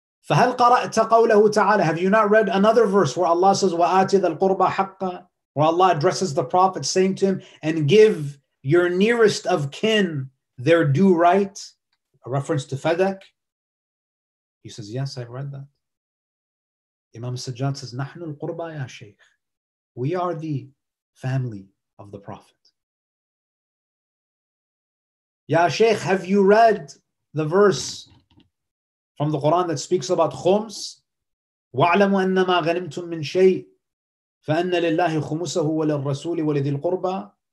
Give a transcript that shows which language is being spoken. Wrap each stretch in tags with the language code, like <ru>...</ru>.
<ar>فَهَلْ قَرَأْتَ قَوْلَهُ تَعَالَى.</ar> <en>Have you not read another verse where Allah says,</en> <ar>وَآتِ ذَا الْقُرْبَى حَقَّ,</ar> <en>where Allah addresses the Prophet saying to him, and give your nearest of kin their due right, a reference to Fadak. He says, yes, I've read that. Imam Sajjad says,</en> <ar>نَحْنُ الْقُرْبَى يَا شَيْخ.</ar> <en>We are the family of the Prophet. Ya Shaykh, have you read the verse from the Quran that speaks about khums?</en> <ar>وَاعْلَمُ أَنَّمَا غَنِمْتُم مِّن شَيْءٍ فَأَنَّ لِلَّهِ خُمُسَهُ وَلِلْرَسُولِ وَلِذِي الْقُرْبَى.</ar>